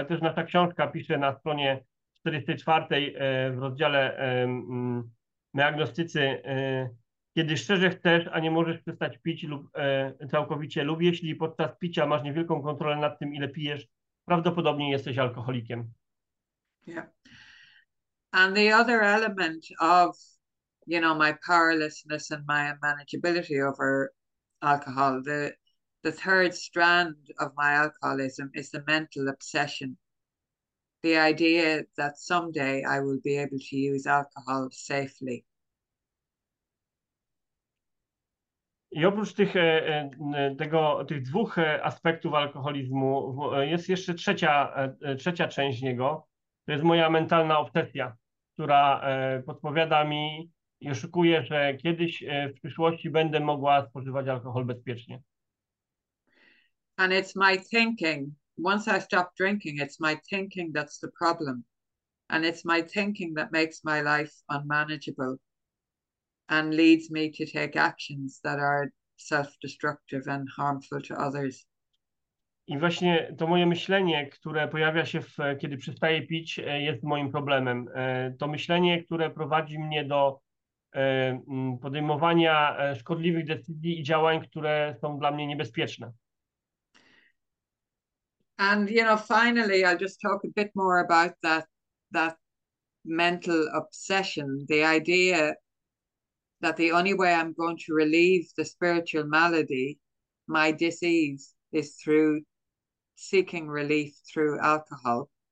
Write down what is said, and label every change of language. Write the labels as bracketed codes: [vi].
[pl] Ale też nasza książka pisze na stronie 44 w rozdziale Diagnostycy. Kiedy szczerze chcesz, a nie możesz przestać pić lub całkowicie, lub jeśli podczas picia masz niewielką kontrolę nad tym, ile pijesz, prawdopodobnie jesteś alkoholikiem. [en] Yeah. And the other element of, my powerlessness and my unmanageability over alcohol, the third strand of my alcoholism is the mental obsession. The idea that someday I will be able to use alcohol safely. [pl] I oprócz tych dwóch aspektów alkoholizmu jest jeszcze trzecia część niego. To jest moja mentalna obsesja, która podpowiada mi i oszukuje, że kiedyś w przyszłości będę mogła spożywać alkohol bezpiecznie. [en] And it's my thinking, once I stop drinking, it's my thinking that's the problem. And it's my thinking that makes my life unmanageable and leads me to take actions that are self-destructive and harmful to others. [pl] I właśnie to moje myślenie, które pojawia się, kiedy przestaję pić, jest moim problemem. To myślenie, które prowadzi mnie do podejmowania szkodliwych decyzji i działań, które są dla mnie niebezpieczne. [en] And finally, I'll just talk a bit more about that mental obsession, the idea that the only way I'm going to relieve the spiritual malady, my disease, is through seeking relief through alcohol.